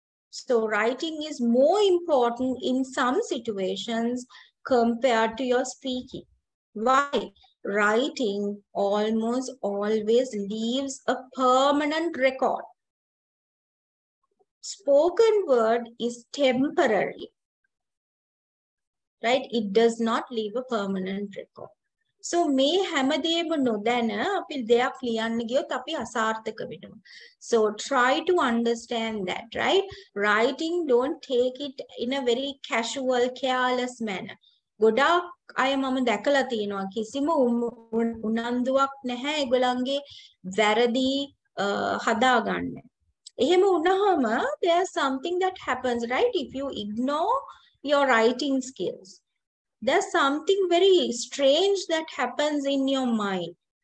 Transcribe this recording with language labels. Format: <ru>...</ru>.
<en>So writing is more important in some situations compared to your speaking. Why? Writing almost always leaves a permanent record. Spoken word is temporary, right? It does not leave a permanent record.</en> <si>So මේ හැමදේම නොදැන අපි දෙයක් ලියන්න ගියොත් අපි අසාර්ථක වෙනවා.</si> <en>So try to understand that, right? Writing, don't take it in a very casual, careless manner.</en> <si>ගොඩක් අය මම දැකලා තියෙනවා කිසිම උනන්දුවක් නැහැ ඒගොල්ලන්ගේ වැරදි හදාගන්න. එහෙම වුණාම</si> <en>there is something that happens, right? If you ignore your writing skills, there's something very strange that happens in your mind.</en>